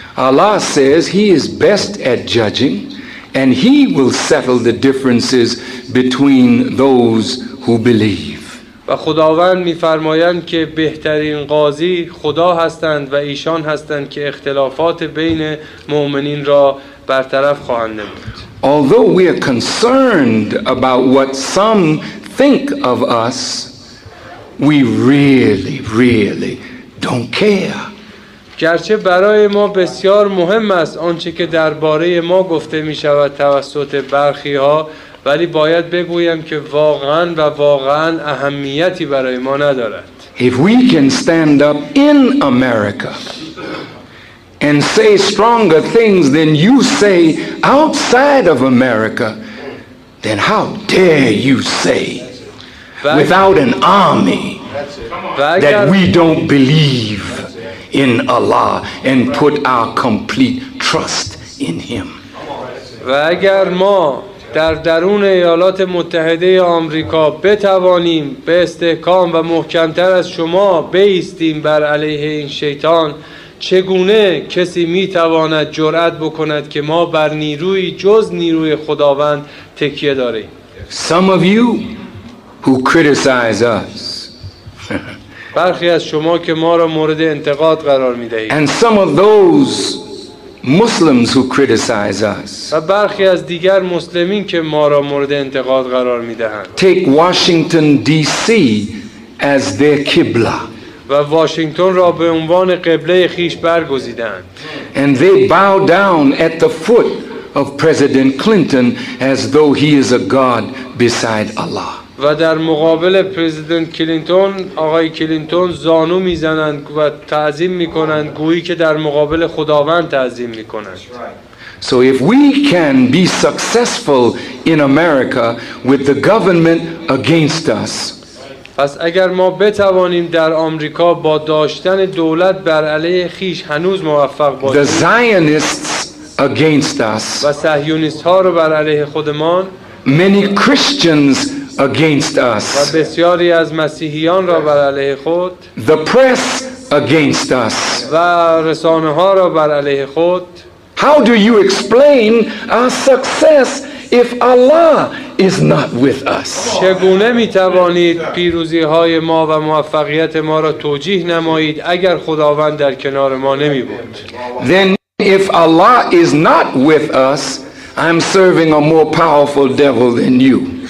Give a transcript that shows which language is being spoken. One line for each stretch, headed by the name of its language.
English: Allah says he is best at judging and he will settle the differences between those who believe.
Persian: و خداوند می‌فرمایند که بهترین قاضی خدا هستند و ایشان هستند که اختلافات بین مؤمنین را برطرف خواهند نمود.
English: Although we are concerned about what some think of us, we really, really don't care.
Persian: گرچه برای ما بسیار مهم است آنچه که درباره ما گفته می شود توسط برخی ها، ولی باید بگویم که واقعا اهمیتی برای ما ندارد.
English: If we can stand up in America and say stronger things than you say outside of America, then how dare you say without an army that we don't believe in Allah and put our complete trust in Him.
Persian: و اگر ما در درون ایالات متحده آمریکا بتوانیم به استحکام و محکمتر از شما بایستیم بر علیه این شیطان، چگونه کسی میتواند جرأت بکند که ما بر نیروی جز نیروی خداوند تکیه داریم؟
English: Some of you who criticize us.
Persian: برخی از شما که ما را مورد انتقاد قرار میدهید.
English: And some of those Muslims who criticize us.
Persian: و برخی از دیگر مسلمین که ما را مورد انتقاد قرار میدهند.
English: Take Washington DC as their qibla.
Persian: و واشنگتن را به عنوان قبله خیش برگزیدند.
English: And they bow down at the foot of President Clinton as though he is a god beside Allah.
Persian: و در مقابل پرزیدنت کلینتون، آقای کلینتون زانو میزنند و تعظیم میکنند گویی که در مقابل خداوند تعظیم میکنند.
English: So if we can be successful in America with the government against us.
Persian: پس اگر ما بتوانیم در آمریکا با داشتن دولت بر علیه خیش هنوز موفق باشیم.
English: The Zionists against us.
Persian: و صهیونیست ها رو بر علیه خودمان.
English: Many Christians against us.
Persian: و بسیاری از مسیحیان را بر علیه خود.
English: The press against us.
Persian: و رسانه ها را بر علیه خود.
English: How do you explain our success if Allah is not with us?
Persian: چگونه می توانید پیروزی های ما و موفقیت ما را توجیه نمایید اگر خداوند در کنار ما نمی بود؟
English: Then if Allah is not with us, I'm serving a more powerful devil than you.